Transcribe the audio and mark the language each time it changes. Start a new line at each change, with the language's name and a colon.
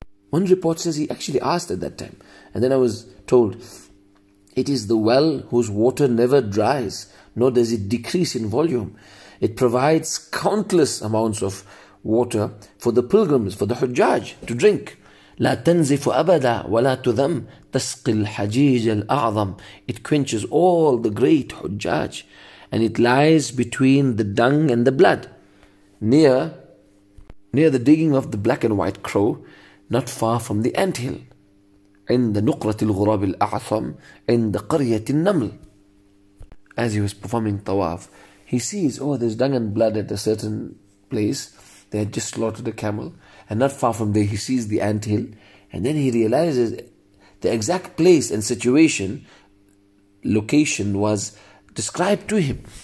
English: One report says he actually asked at that time. And then I was told, it is the well whose water never dries, nor does it decrease in volume. It provides countless amounts of water for the pilgrims, for the hujjaj, to drink.
Arabic: لا تنزف أبدا ولا تذم تسقي الحجيج الأعظم.
English: It quenches all the great hujjaj. And it lies between the dung and the blood, near the digging of the black and white crow, not far from the anthill.
Arabic: عند نقرة الغراب الأعظم عند قرية النمل.
English: As he was performing tawaf, he sees, oh, there's dung and blood at a certain place. They had just slaughtered a camel. And not far from there, he sees the anthill. And then he realizes the exact place and situation, location was described to him.